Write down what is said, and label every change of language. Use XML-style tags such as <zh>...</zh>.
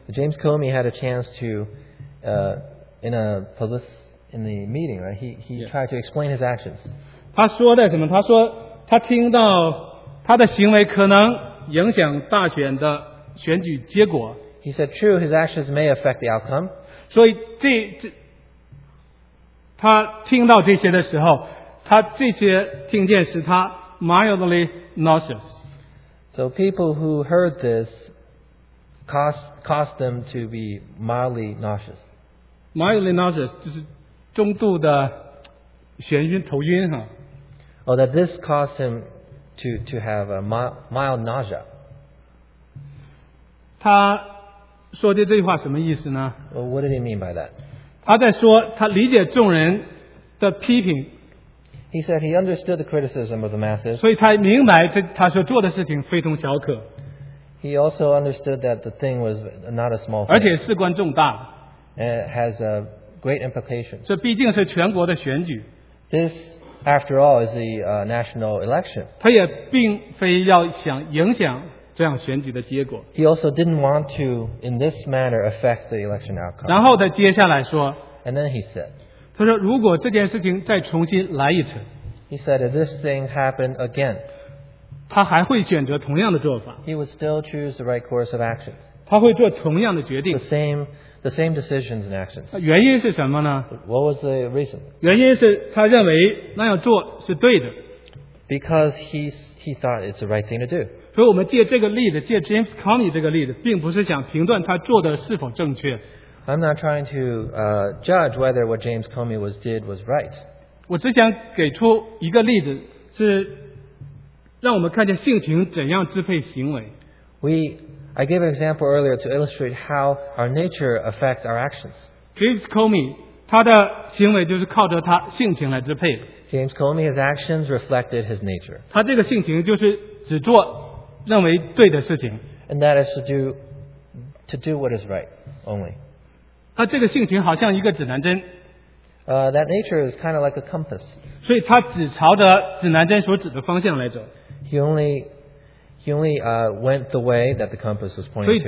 <en>James Comey had a chance to, in the meeting, right? He tried to explain his actions.</en> <zh>他说的什么？他说。他听到他的行为可能影响大选的选举结果。</zh> <en>He said true, his actions may affect the outcome.</en> <zh>所以这他听到这些的时候，他这些听见使他</zh> <en>mildly nauseous. So people who heard this caused them to be mildly nauseous. Mildly nauseous</en> <zh>就是中度的眩晕、头晕哈。</zh> <en>Oh, that this caused him to have a mild nausea.</en> <zh>他说的这句话什么意思呢？</zh> <en>Well, what did he mean by that?</en> <zh>他在说他理解众人的批评。</zh> <en>He said he understood the criticism of the masses.</en> <zh>所以他明白他所做的事情非同小可。</zh> <en>He also understood that the thing was not a small thing.</en> <zh>而且事关重大。</zh> <en>It has a great implication.</en> <zh>这毕竟是全国的选举。</zh> <en>This After all, is the national election.</en> <zh>他也并非要想影响这样选举的结果。</zh> <en>He also didn't want to, in this manner, affect the election outcome.</en> <zh>然后他接下来说。</zh> <en>And then he said.</en> <zh>他说如果这件事情再重新来一次。</zh> <en>He said if this thing happened again.</en> <zh>他还会选择同样的做法。</zh> <en>He would still choose the right course of action.</en> <zh>他会做同样的决定。</zh> <en>The same decisions and actions.</en> <zh>原因是什么呢？</zh> <en>What was the reason?</en> <zh>原因是他认为那样做是对的。</zh> <en>Because he thought it's the right thing to do.</en> <zh>所以我们借这个例子，借 James Comey 这个例子，并不是想评断他做的是否正确。</zh> <en>I'm not trying to judge whether what James Comey did was right.</en> <zh>我只想给出一个例子，是让我们看见性情怎样支配行为。</zh> <en>I gave an example earlier to illustrate how our nature affects our actions.</en> <zh>James Comey, 他的行为就是靠着他性情来支配。</zh> <en>James Comey, his actions reflected his nature.</en> <zh>他这个性情就是只做认为对的事情,</zh> <en>and that is to do what is right only.</en> <zh>他这个性情好像一个指南针,</zh> <en>that nature is kind of like a compass.</en> <zh>所以他只朝着指南针所指的方向来走。</zh> <en>He only went the way that the compass was pointing to.</en>